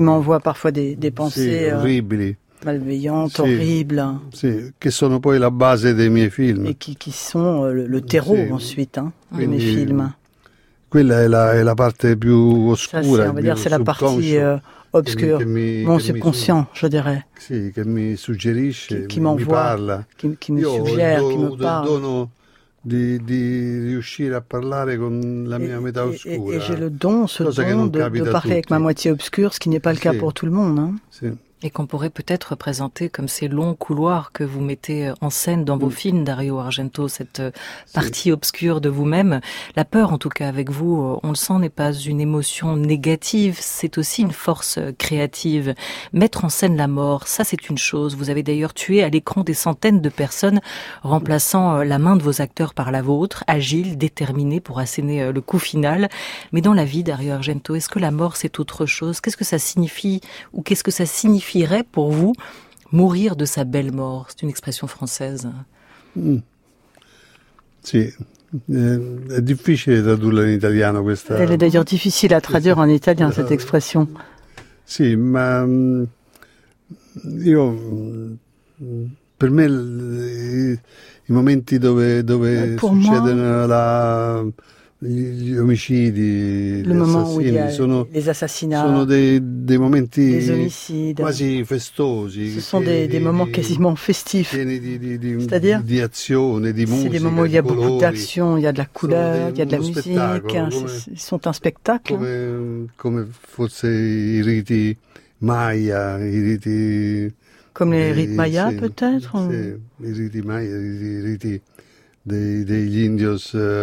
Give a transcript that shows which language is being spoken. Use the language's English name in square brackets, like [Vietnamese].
[French] m'envoie parfois des pensées malveillantes, horribles, [Italian] che sono poi la base dei miei film, [French] et qui sont le terreau ensuite de mes films. [Italian] Quella è la parte più oscura, [French] c'est la partie obscur, mon subconscient, je dirais. [Italian] Si, che mi suggerisce, mi parla. [French] Qui me parle. [Italian] Io ho il dono di riuscire a parlare con la mia metà oscura. [French] Et j'ai le don, de parler avec ma moitié obscure, ce qui n'est pas le cas pour tout le monde. Et qu'on pourrait peut-être représenter comme ces longs couloirs que vous mettez en scène dans vos films, Dario Argento, cette partie obscure de vous-même. La peur, en tout cas avec vous, on le sent, n'est pas une émotion négative, c'est aussi une force créative. Mettre en scène la mort, ça c'est une chose. Vous avez d'ailleurs tué à l'écran des centaines de personnes, remplaçant la main de vos acteurs par la vôtre, agile, déterminé pour asséner le coup final. Mais dans la vie, Dario Argento, est-ce que la mort c'est autre chose? Qu'est-ce que ça signifie, ou qu'est-ce que ça signifie signifierait pour vous mourir de sa belle mort? C'est une expression française. C'est difficile de traduire en italien. Elle est d'ailleurs difficile à traduire en italien, cette expression. [Italian] Si, ma io per me i momenti dove succedono gli omicidi, [French] le moment où il y a les assassinats, [Italian] sono des momenti, [French] les omicides, [Italian] quasi festosi, [French] ce sont des moments quasiment festifs, c'est-à-dire [Italian] di azione, di musica, [French] c'est des moments où il y a beaucoup d'action, il y a de la couleur, il y a de la musique, ils sont un spectacle. Comme [Italian] forse i riti maya, i riti... [French] Comme les rites mayas, peut-être? [Italian] Si, i riti maya, i riti... [French] Des indios,